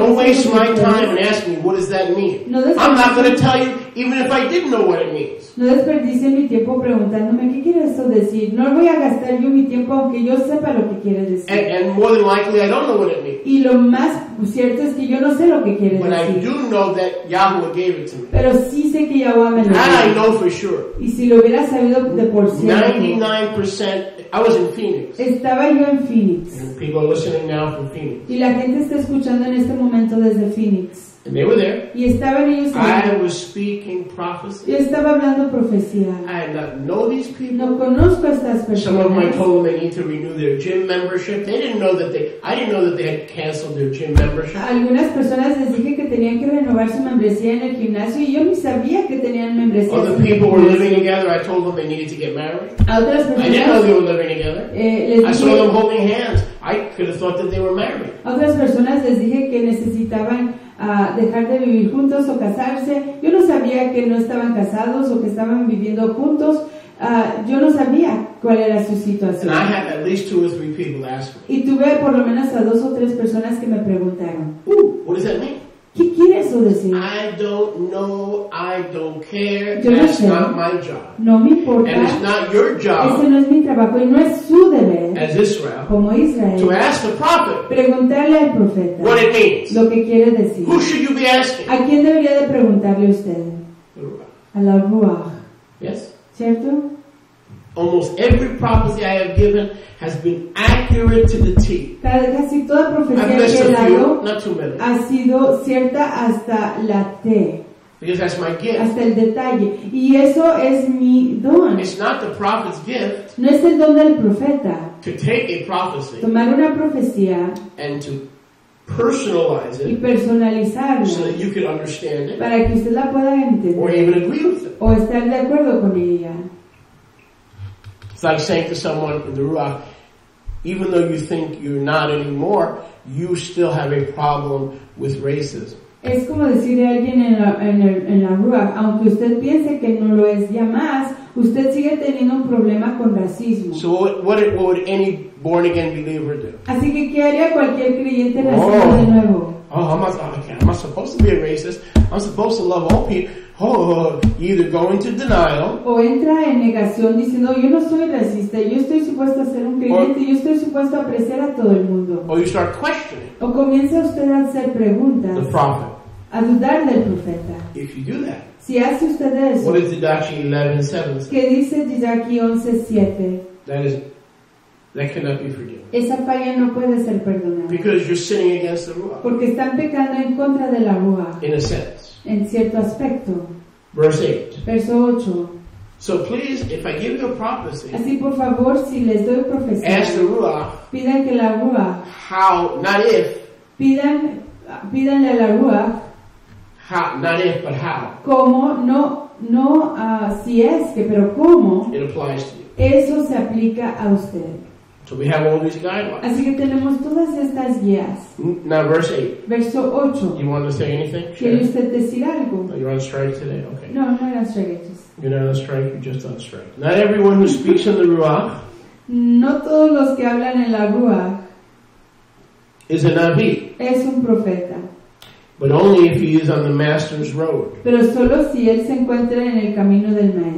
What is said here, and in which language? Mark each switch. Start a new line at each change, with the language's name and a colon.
English: don't waste my time and ask me what does that mean. No, I'm not going to tell you, even if I didn't know what it means.
Spanish: No desperdicie mi tiempo preguntándome qué quiere eso decir. No voy a gastar yo mi tiempo aunque yo sepa lo que quiere decir.
English: And more than likely, I don't know what it means.
Spanish: Y lo más cierto es que yo no sé lo que quiere
English: but
Spanish: decir.
English: But I do know that Yahweh gave it to me.
Spanish: Pero sí sé que Yahweh me lo dio.
English: That I know for sure.
Spanish: Y si lo hubiera sabido de por sí.
English: 99%. I was in Phoenix.
Spanish: Estaba yo en Phoenix.
English: And people are listening now from Phoenix.
Spanish: Y la gente está escuchando en este momento desde Phoenix.
English: And they were there.
Spanish: Y estaban ellos ahí.
English: I was speaking prophecy.
Spanish: Yo estaba hablando profecía.
English: I did not know these people.
Spanish: No conozco a estas personas.
English: Some of them I told them they need to renew their gym membership. I didn't know that they had canceled their gym membership.
Spanish: Algunas personas les dije que tenían que renovar su membresía en el gymnasio y yo ni sabía que tenían membresía.
English: Other people were living together. I told them they needed to get married.
Spanish: Otras personas.
English: I didn't know they were living together. I saw them holding hands. I could have thought that they were married.
Spanish: Otras personas les dije que necesitaban a dejar de vivir juntos o casarse. Yo no sabía que no estaban casados o que estaban viviendo juntos. Yo no sabía cuál era su situación.
English: And I had at least two or three people ask me.
Spanish: Y tuve por lo menos a dos o tres personas que me preguntaron.
English: What does that mean?
Spanish: ¿Qué quiere eso decir?
English: I don't know, I don't care.
Spanish: Yo no
English: That's
Spanish: sé.
English: Not my job.
Spanish: No me importa.
English: And it's not your job.
Spanish: Ese no es mi trabajo y no es su deber.
English: As Israel.
Spanish: Como Israel.
English: To ask the prophet.
Spanish: Preguntarle al profeta.
English: What it means.
Spanish: Lo que quiere decir.
English: Who should you be asking?
Spanish: ¿A quién debería de preguntarle usted? A la Ruach.
English: Yes.
Spanish: ¿Cierto?
English: Almost every prophecy I have given has been accurate to the T.
Spanish: Casi toda profecía que he dado ha sido cierta hasta la T.
English: Because that's my gift.
Spanish: Hasta el detalle. Y eso es mi don.
English: It's not the prophet's gift.
Spanish: No es el don del profeta.
English: To take a prophecy.
Spanish: Tomar una profecía.
English: And to personalize it.
Spanish: Y personalizarla.
English: So that you can understand it.
Spanish: Para que usted la pueda entender.
English: Or even agree with it.
Spanish: O estar de acuerdo con ella.
English: It's like saying to someone in the Ruach, even though you think you're not anymore, you still have a problem with racism.
Spanish: Es como decirle a alguien en la Ruach, aunque usted piense que no lo es ya más, usted sigue teniendo un problema con racismo.
English: So what would any born-again believer do?
Spanish: Así que, ¿qué haría cualquier creyente racista de nuevo?
English: Oh, I'm not supposed to be a racist. I'm supposed to love all people. Oh, you either go into denial.
Spanish: O entra en negación diciendo, yo no soy racista, yo estoy supuesto a ser un creyente, yo estoy supuesto a apreciar a todo el mundo.
English: Or you start questioning.
Spanish: O comienza usted a hacer preguntas.
English: The prophet.
Spanish: A dudar del profeta.
English: If you do that.
Spanish: Si hace usted eso.
English: What is Didache 11:7?
Spanish: ¿Qué dice Didache 11:7?
English: That cannot be forgiven.
Spanish: Esa falla no puede ser perdonada.
English: Because you're sinning against the Ruach.
Spanish: Porque están pecando en contra de la Ruach.
English: In a sense.
Spanish: En cierto aspecto.
English: Verse 8.
Spanish: Verso 8.
English: So please, if I give you a prophecy.
Spanish: Así por favor, si les doy profecía.
English: Ask the Ruach.
Spanish: Pidan que la Ruach.
English: How, not if.
Spanish: Pídanle a la Ruach.
English: How, not if, but how.
Spanish: Cómo, no, si es que, pero cómo.
English: It applies to you.
Spanish: Eso se aplica a usted.
English: So we have all these guidelines.
Spanish: Así que tenemos todas estas guías.
English: Now verse 8.
Spanish: Verso 8.
English: You want to say anything?
Spanish: ¿Quiere usted decir algo?
English: Oh, you're on strike today? Okay. No, I'm not on strike. Just... You're not on strike, you're just on strike. Not everyone who speaks in the Ruach.
Spanish: No todos los que hablan en la Ruach.
English: Is a Nabi.
Spanish: Es un profeta.
English: But only if he is on the Master's road.
Spanish: Pero solo si él se encuentra en el camino del Maestro.